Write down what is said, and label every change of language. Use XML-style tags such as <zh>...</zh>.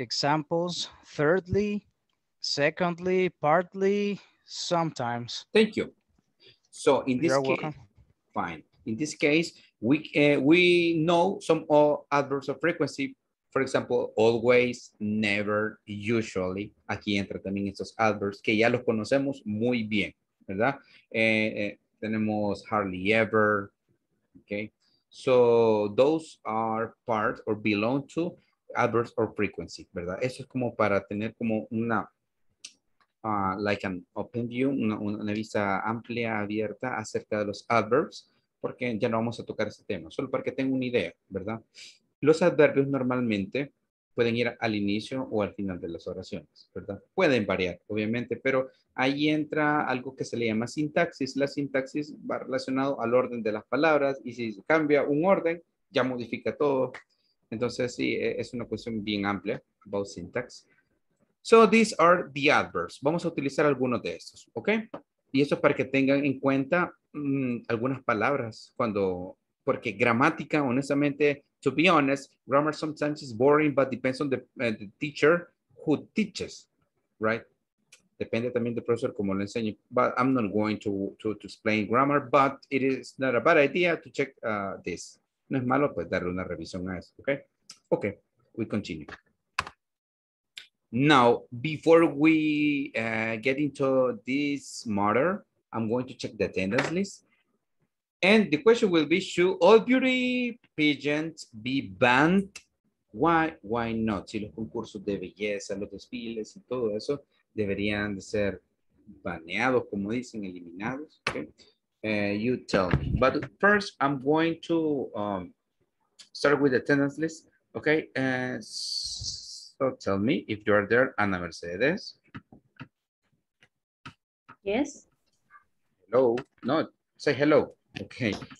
<en>Examples, thirdly, secondly, partly, sometimes. Thank you. So in this In this case, we know some adverbs of frequency. For example, always, never, usually.</en> <es>Aquí entra también estos adverbs que ya los conocemos muy bien, ¿verdad? Tenemos hardly ever, okay?</es> <en>So those are part or belong to adverbs or frequency, ¿verdad?</en> <es>Eso es como para tener como una,</es> <en>like an open view,</en> <es>una vista amplia, abierta acerca de los adverbs, porque ya no vamos a tocar ese tema, solo para que tengan una idea, ¿verdad? Los adverbios normalmente pueden ir al inicio o al final de las oraciones, ¿verdad? Pueden variar, obviamente, pero ahí entra algo que se le llama sintaxis. La sintaxis va relacionado al orden de las palabras y si cambia un orden, ya modifica todo. Entonces, sí, es una cuestión bien amplia</es> <en>about syntax. So, these are the adverbs.</en> <es>Vamos a utilizar algunos de estos, ¿ok? Y eso es para que tengan en cuenta algunas palabras cuando... Porque gramática, honestamente,</es> <en>to be honest, grammar sometimes is boring, but depends on the teacher who teaches, right?</en> <es>Depende también del profesor como lo enseñe.</es> <en>But I'm not going to explain grammar, but it is not a bad idea to check this.</en> <es>No es malo, pues, darle una revisión a eso, ¿ok?</es> <en>Ok, we continue. Now, before we get into this matter, I'm going to check the attendance list. And the question will be, should all beauty pageants be banned? Why not?</en> <es>Si los concursos de belleza, los desfiles y todo eso deberían ser baneados, como dicen, eliminados.</es> <en>Okay. You tell me. But first, I'm going to start with the attendance list. Okay. So tell me if you are there, Ana Mercedes. Yes. Hello. No, say hello. Okay.</en>